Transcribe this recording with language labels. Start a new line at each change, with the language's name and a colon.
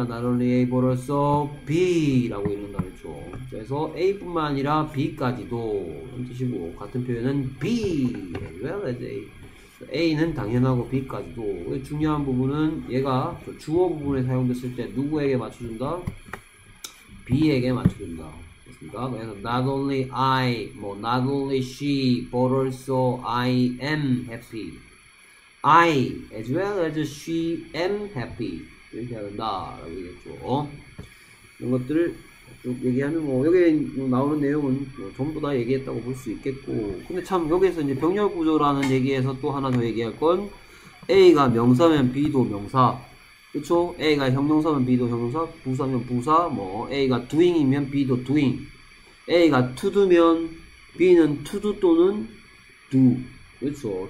English: not only A but also B
Korean: 라고 읽는다 그랬죠. 그래서 A뿐만 아니라 B까지도 이런 뜻이고 같은 표현은 B as well as A는 당연하고 B까지도. 중요한 부분은 얘가 주어 부분에 사용됐을 때 누구에게 맞춰준다? B에게 맞춰준다.
English: 그래서 not only I, 뭐 not only she, but also I am happy. I as well as she am happy.
Korean: 이렇게 한다라고 얘기했죠. 이런 것들을 쭉 얘기하면 뭐 여기에 나오는 내용은 뭐 전부 다 얘기했다고 볼수 있겠고. 근데 참 여기에서 이제 병렬 구조라는 얘기에서 또 하나 더 얘기할 건 A가 명사면 B도 명사. 그렇죠? A가 형용사면 B도 형용사, 부사면 부사, 뭐 A가 doing이면 B도 doing, A가 to do면 B는 to do 또는 do. 그렇죠?